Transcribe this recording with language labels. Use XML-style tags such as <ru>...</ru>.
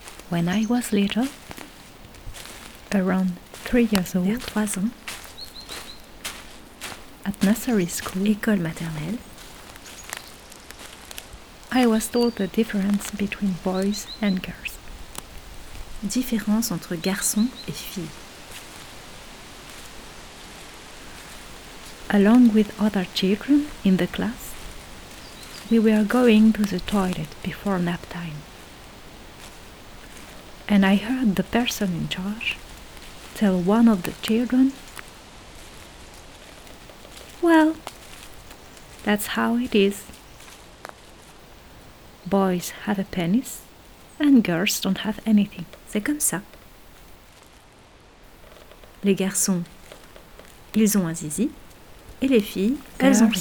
<en>when I was little, around 3 years old,</en> <fr>vers 3 ans,</fr> <en>at nursery school,</en> <fr>école maternelle,</fr> <en>I was told the difference between boys and girls.</en> <fr>Différence entre garçons et filles.</fr> <en>Along with other children in the class, we were going to the toilet before nap time. And I heard the person in charge tell one of the children, "Well, that's how it is. Boys have a penis and girls don't have anything.</en> <fr>C'est comme ça. Les garçons, ils ont un zizi et les filles, elles ont rien.</fr>